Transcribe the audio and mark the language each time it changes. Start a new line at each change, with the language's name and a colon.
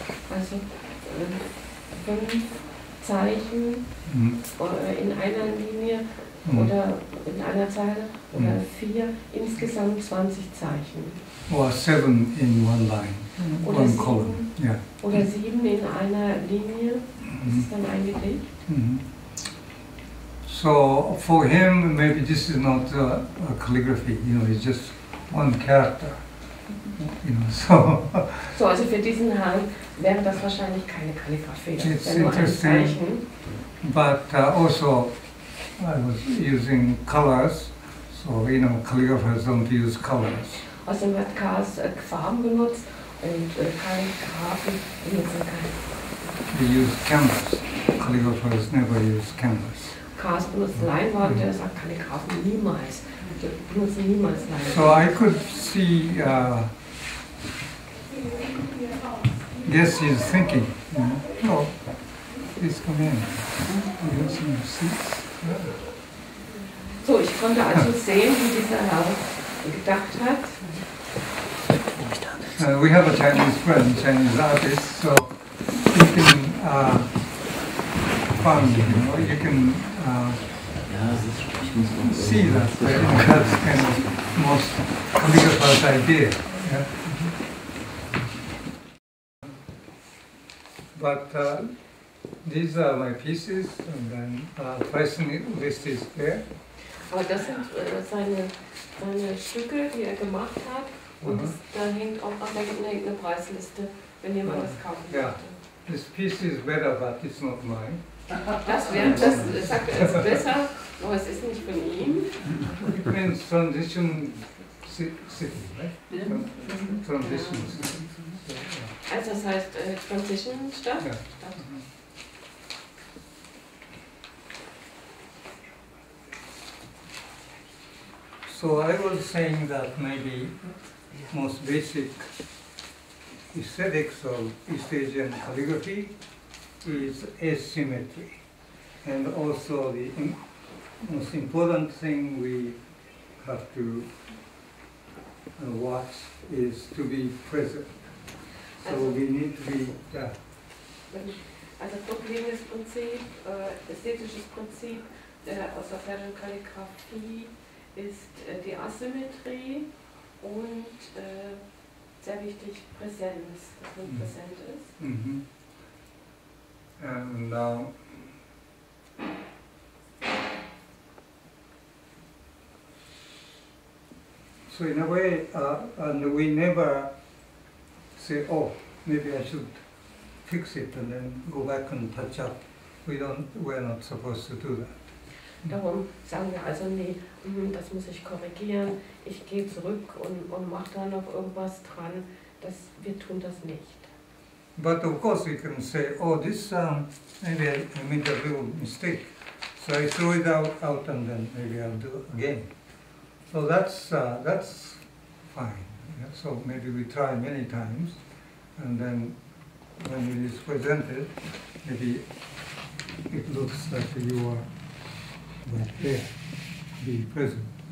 German: Also fünf Zeichen in einer Linie oder in einer Zeile oder vier, insgesamt 20 Zeichen.
English: Or seven in one line,
German: oder
English: one
German: sieben,
English: column. Yeah.
German: Oder sieben in einer Linie, das ist dann ein Gedicht.
English: So for him, maybe this is not a calligraphy, you know, it's just one character, you know, so.
German: So also für diesen Herrn wäre das wahrscheinlich keine Kalligraphie, das wäre nur ein Zeichen.
English: But also I was using colors, so you know, calligraphers don't use colors.
German: Außerdem hat Kars Farben benutzt und Kalligraphen benutzen keine.
English: They use canvas. Calligraphers never use canvas.
German: Kars benutzt Leinwand, der sagt Kalligraphen niemals. Die benutzen niemals Leinwand.
English: So I could see, yes, he's thinking. You know. Oh, please come in. He has some seats.
German: So, ich konnte also sehen, wie dieser Herr gedacht hat.
English: We have a Chinese friend, Chinese artist, so you can find, you know, you can see that, you know, that's kind of most calligraphers idea. Yeah? But these are my pieces, and then pricing list is there.
German: Aber das sind seine Stücke, die gemacht hat. Und das, da hängt auch noch eine Preisliste, wenn jemand das kaufen möchte.
English: This piece is better, but it's not mine.
German: Das wäre, das sagt er, ist besser, aber es ist nicht von ihm.
English: It means transition city, right? Transition city.
German: Also das heißt Transition Stadt? Ja.
English: So I was saying that maybe most basic aesthetics of East Asian calligraphy is asymmetry. And also the most important thing we have to watch is to be present. So also, we need to be there.
German: Also problemisches Prinzip, ästhetisches Prinzip der außerfernen Kalligraphie ist die Asymmetrie. Und sehr wichtig, Präsenz, dass man präsent ist.
English: And now, so in a way, and we never say, oh, maybe I should fix it and then go back and touch up. We're not supposed to do that.
German: Darum sagen wir also nie, das muss ich korrigieren, ich gehe zurück und mache da noch irgendwas dran, das, wir tun das nicht.
English: But of course we can say, oh, this, maybe I made a real mistake, so I threw it out and then maybe I'll do it again. So that's fine. Yeah? So maybe we try many times and then when it is presented, maybe it looks like you are right there, be present.